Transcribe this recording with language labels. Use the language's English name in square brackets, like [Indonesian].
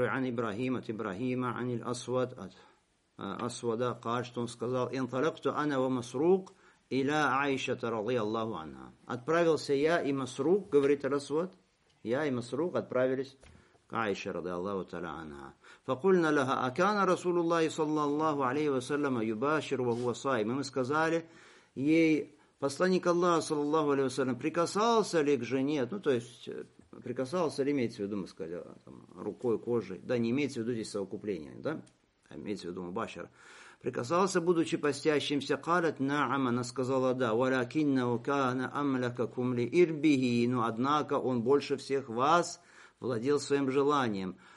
[Russian] Ан Ибрахим, от Ибрахима, ан Аль-Асвад, от Асвада, Каль, что он сказал, [Arabic] Инталакту ана ва Масрук, иля Айшата, [Russian] ради Аллаху анха. Отправился я и Масрук, говорит Аль-Асвад, я и Масрук отправились Айша, ради Аллаху таля анха. [Arabic] فقلنا لها أكان رسول الله صلى الله عليه وسلم يباشر وهو صائم. [Russian] Мы сказали ей, посланник Аллаха [Arabic] صلى الله عليه وسلم [Russian] прикасался ли к жене, ну то есть прикасался ли, имеется в виду, мы сказали, там, рукой, кожей, да, не имеется в виду здесь совокупление, да, а имеется в виду мубашир. Прикасался, будучи постящимся, [Arabic] قالت نعم, [Russian] она сказала да, [Arabic] ولكنه كان أملككم لإربه, [Russian] но однако он больше всех вас владел своим желанием.